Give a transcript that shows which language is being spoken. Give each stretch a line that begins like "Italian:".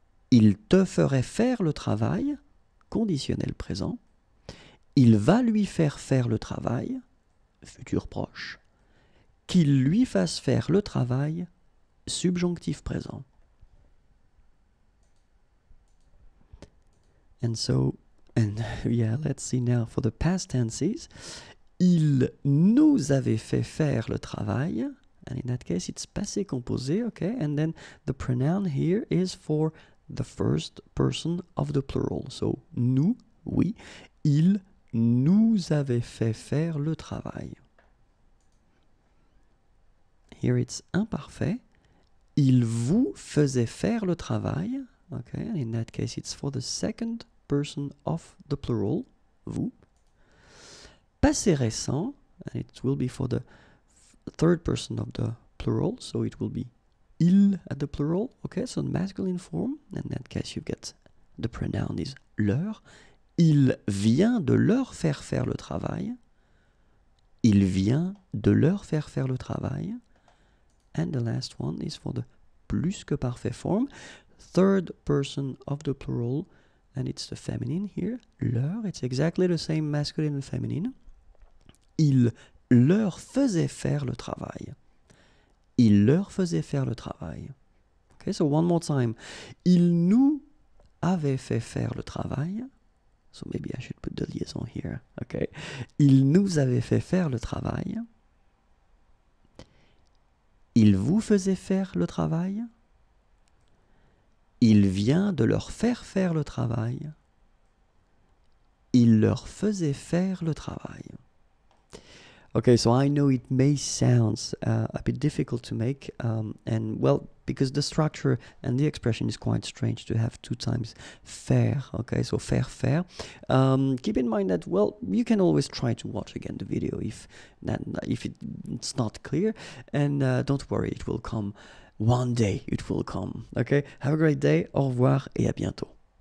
French: Il te ferait faire le travail, conditionnel présent. Il va lui faire faire le travail, futur proche. Qu'il lui fasse faire le travail, subjonctif présent.
English: And so, and yeah, let's see now for the past tenses.
French: Il nous avait fait faire le travail.
English: And in that case, it's passé composé, okay? And then the pronoun here is for the first person of the plural.
French: So, nous, oui. Il nous avait fait faire le travail.
English: Here it's imparfait.
French: Il vous faisait faire le travail.
English: Okay, and in that case, it's for the second person of the plural, vous. Passé récent, and it will be for the third person of the plural, so it will be il at the plural. Okay, so in masculine form, in that case, you get the pronoun is leur.
French: Il vient de leur faire faire le travail. Il vient de leur faire faire le travail.
English: And the last one is for the plus que parfait form, third person of the plural, and it's the feminine here, leur. It's exactly the same masculine and feminine.
French: Il leur faisait faire le travail. Il leur faisait faire le travail.
English: Okay, so one more time.
French: Il nous avait fait faire le travail.
English: So maybe I should put the liaison here.
French: Okay. Il nous avait fait faire le travail. Il vous faisait faire le travail. Il vient de leur faire faire le travail. Il leur faisait faire le travail.
English: Okay, so I know it may sound a bit difficult to make, and well, because the structure and the expression is quite strange to have two times faire, okay, so faire, faire. Keep in mind that, well, you can always try to watch again the video if it's not clear, and don't worry, it will come one day, it will come, okay? Have a great day,
French: au revoir, et à bientôt.